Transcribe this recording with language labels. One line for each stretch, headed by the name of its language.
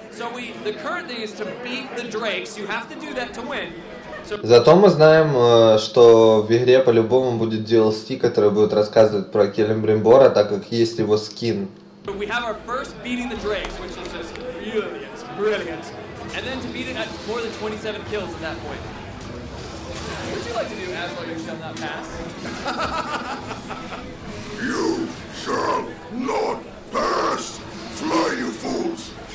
English: So the current thing is to beat the Drakes. You have to do that to win.
Russian: Зато мы знаем, что в игре по-любому будет DLC, который будет рассказывать про Келебримбора, так как есть его скин.
English: We have our first beating the Drakes, which is just brilliant. And then to beat it at more than 27 kills at that point. Would you like to do as well? You shall not pass. You shall not pass! Fly, you fools!